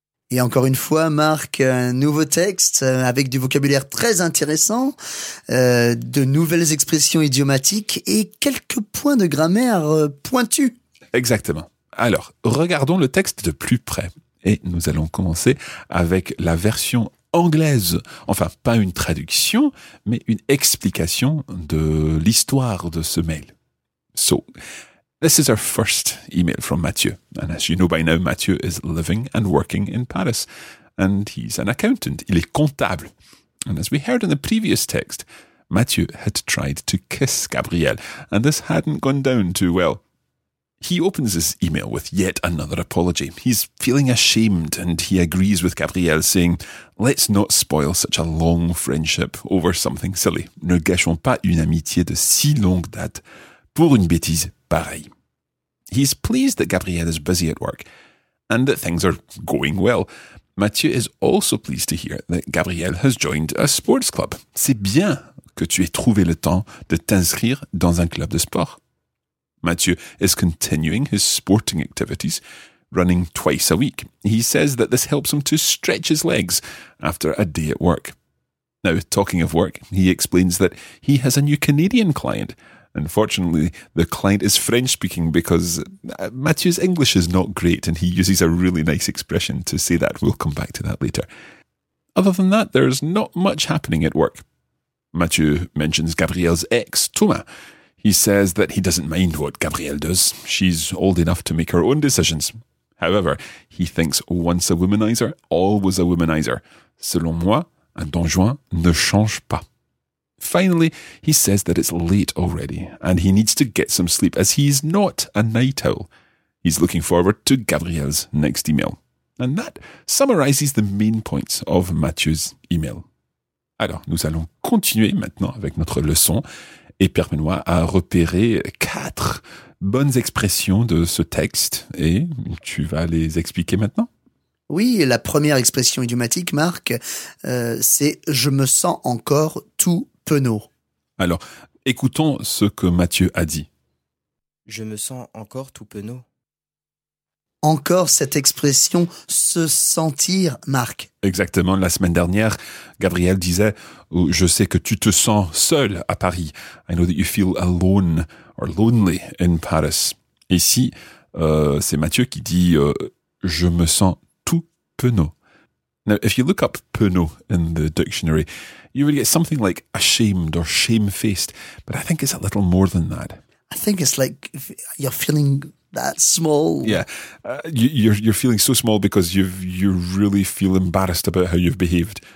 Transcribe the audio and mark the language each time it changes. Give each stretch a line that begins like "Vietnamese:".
French: Et encore une fois, Marc, un nouveau texte avec du vocabulaire très intéressant, de nouvelles expressions idiomatiques et quelques points de grammaire pointus. Exactement. Alors, regardons le texte de plus près. Et nous allons commencer avec la version anglaise. Enfin, pas une traduction, mais une explication de l'histoire de ce mail.
English: So, this is our first email from Mathieu. And as you know by now, Mathieu is living and working in Paris. And he's an accountant.
French: Il est comptable.
English: And as we heard in the previous text, Mathieu had tried to kiss Gabrielle. And this hadn't gone down too well. He opens his email with yet another apology. He's feeling ashamed and he agrees with Gabrielle, saying, let's not spoil such a long friendship over something silly.
French: Ne gâchons pas une amitié de si longue date pour une bêtise pareille.
English: He's pleased that Gabrielle is busy at work and that things are going well. Mathieu is also pleased to hear that Gabrielle has joined a sports club.
French: C'est bien que tu aies trouvé le temps de t'inscrire dans un club de sport.
English: Mathieu is continuing his sporting activities, running twice a week. He says that this helps him to stretch his legs after a day at work. Now, talking of work, he explains that he has a new Canadian client. Unfortunately, the client is French-speaking because Mathieu's English is not great and he uses a really nice expression to say that. We'll come back to that later. Other than that, there's not much happening at work. Mathieu mentions Gabrielle's ex, Thomas. He says that he doesn't mind what Gabrielle does. She's old enough to make her own decisions. However, he thinks once a womanizer, always a womanizer.
French: Selon moi, un Don Juan ne change pas.
English: Finally, he says that it's late already and he needs to get some sleep as he's not a night owl. He's looking forward to Gabrielle's next email. And that summarizes the main points of Mathieu's email.
French: Alors, nous allons continuer maintenant avec notre leçon. Et permets-moi à repérer quatre bonnes expressions de ce texte. Et tu vas les expliquer maintenant? Oui, la première expression idiomatique, Marc, c'est « je me sens encore tout penaud ». Alors, écoutons ce que Mathieu a dit. « Je me sens encore tout penaud ». Encore cette expression « se sentir », Marc. Exactement. La semaine dernière, Gabrielle disait « Je sais que tu te sens seul à Paris.
English: I know that you feel alone or lonely in Paris. »
French: Ici, c'est Mathieu qui dit « Je me sens tout penaud ».
English: Now, if you look up penaud in the dictionary, you will get something like ashamed or shame-faced. But I think it's a little more than that. I think it's like you're feeling that small. Yeah, you're feeling so small because you really feel embarrassed about how you've behaved.